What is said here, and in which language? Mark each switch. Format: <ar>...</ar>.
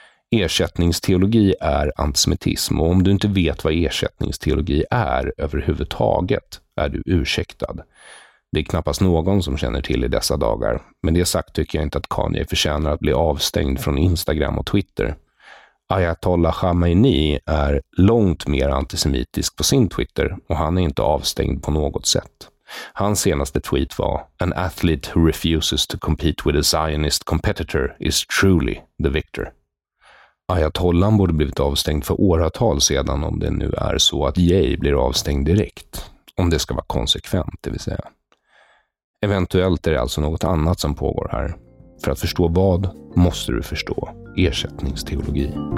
<sv>Ersättningsteologi är antisemitism, och om du inte vet vad ersättningsteologi är överhuvudtaget är du ursäktad. Det är knappast någon som känner till i dessa dagar, men det sagt tycker jag inte att Kanye förtjänar att bli avstängd från Instagram och Twitter. Ayatollah Khamenei är långt mer antisemitisk på sin Twitter, och han är inte avstängd på något sätt. Hans senaste tweet var:</sv> <en>An athlete who refuses to compete with a Zionist competitor is truly the victor.</en> <sv>Ayatollah borde blivit avstängd för åratal sedan, om det nu är så att Jay blir avstängd direkt, om det ska vara konsekvent, det vill säga. Eventuellt är det alltså något annat som pågår här. För att förstå vad måste du förstå ersättningsteologi.</sv>